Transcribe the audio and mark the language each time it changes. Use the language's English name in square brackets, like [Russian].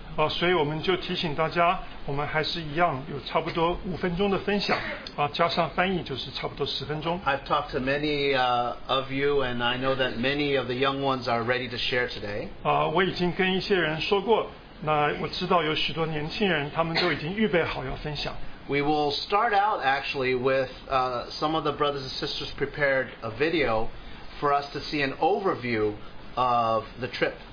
[Chinese] 所以我们就提醒大家, 我们还是一样有差不多5分钟的分享, 加上翻译就是差不多10分钟。 [English] I've talked to many of you, and I know that many of the young ones are ready to share today. [Chinese] 我已经跟一些人说过, 那我知道有许多年轻人他们都已经预备好要分享。 [English] We will start out actually with some of the brothers and sisters prepared a video for us to see an overview of the trip.